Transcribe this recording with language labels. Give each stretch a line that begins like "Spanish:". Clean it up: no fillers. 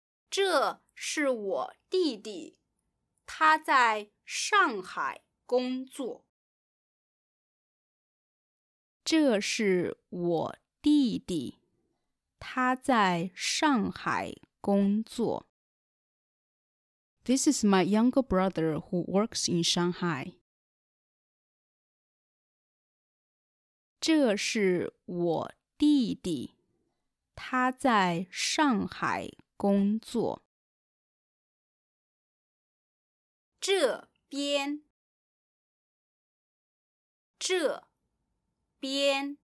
Chinese: 这是我弟弟，他在上海工作。这是我弟弟，他在上海工作。
English: This is my younger brother who works in Shanghai.
Chinese: 这是我弟弟，他在上海工作。这边，这边。